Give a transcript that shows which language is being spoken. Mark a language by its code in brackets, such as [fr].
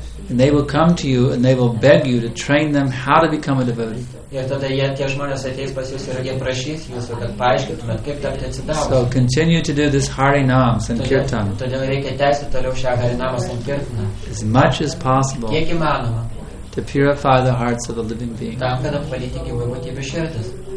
[en] And they will come to you and they will beg you to train them how to become a devotee. [lt] Ir tada jie, tie žmonės ateis pas jūs ir jie prašys jūsų, kad paaiškintumėt, kaip tapti atsidavus. [en] So continue to do this Harinams and Kirtan. [lt] Todėl reikia tęsti toliau šią Harinamas and Kirtaną. [en] As much as possible. [lt] Kiek įmanoma. [en] To purify the hearts of the living being. [lt] Tam, kad apvalyti gyvų būtybių širdis.